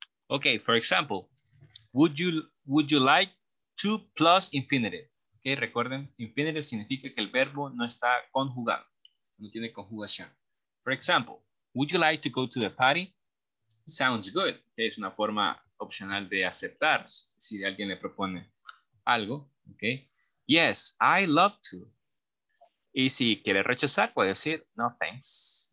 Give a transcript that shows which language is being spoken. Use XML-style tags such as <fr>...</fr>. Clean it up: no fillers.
<en>Okay, for example, would you like to plus infinitive?</en> <es>Okay, recuerden, infinitive significa que el verbo no está conjugado, no tiene conjugación.</es> <en>For example, would you like to go to the party? Sounds good.</en> <es>Okay, es una forma opcional de aceptar si alguien le propone algo. Okay.</es> <en>Yes, I love to.</en> <es>Y si quiere rechazar, puede decir,</es> <en>no thanks.</en>